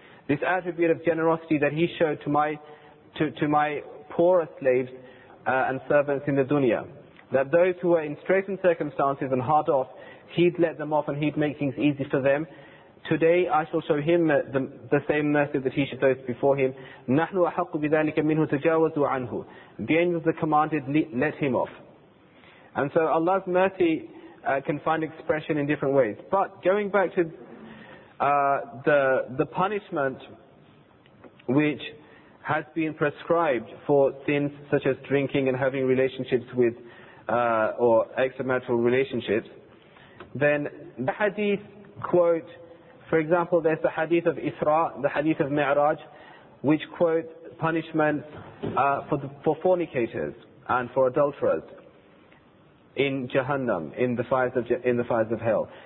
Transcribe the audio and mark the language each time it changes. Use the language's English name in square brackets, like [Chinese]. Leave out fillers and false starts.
[English] This attribute of generosity that he showed to my poorer slaves and servants in the dunya. That those who were in straitened circumstances and hard off, he'd let them off and he'd make things easy for them. Today I shall show him the same mercy that he showed those before him. [Arabic] نَحْنُ أَحَقُّ بِذَلِكَ مِنْهُ تَجَاوَزُ عَنْهُ. [English] The angels are commanded, let him off. And so Allah's mercy can find expression in different ways. But going back to the punishment which has been prescribed for sins such as drinking and having relationships with or extramarital relationships, then the hadith quote, for example, there's the hadith of Isra, the hadith of Mi'raj, which quote punishment for fornicators and for adulterers in Jahannam, in the fires of hell.